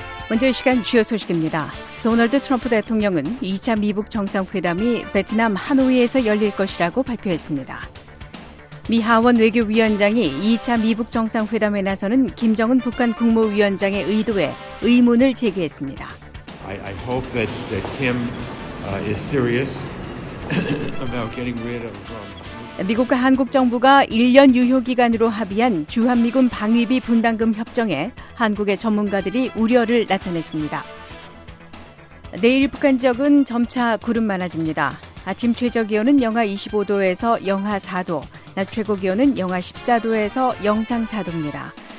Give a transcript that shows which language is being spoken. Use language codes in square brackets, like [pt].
[ko] 먼저 이 시간 주요 소식입니다. 도널드 트럼프 대통령은 2차 미북 정상회담이 베트남 하노이에서 열릴 것이라고 발표했습니다. 미 하원 외교위원장이 2차 미북 정상회담에 나서는 김정은 북한 국무위원장의 의도에 의문을 제기했습니다. [en] I hope that, that Kim is serious about getting rid of Trump. [ko] 미국과 한국 정부가 1년 유효기간으로 합의한 주한미군 방위비 분담금 협정에 한국의 전문가들이 우려를 나타냈습니다. 내일 북한 지역은 점차 구름 많아집니다. 아침 최저기온은 영하 25도에서 영하 4도, 낮 최고기온은 영하 14도에서 영상 4도입니다.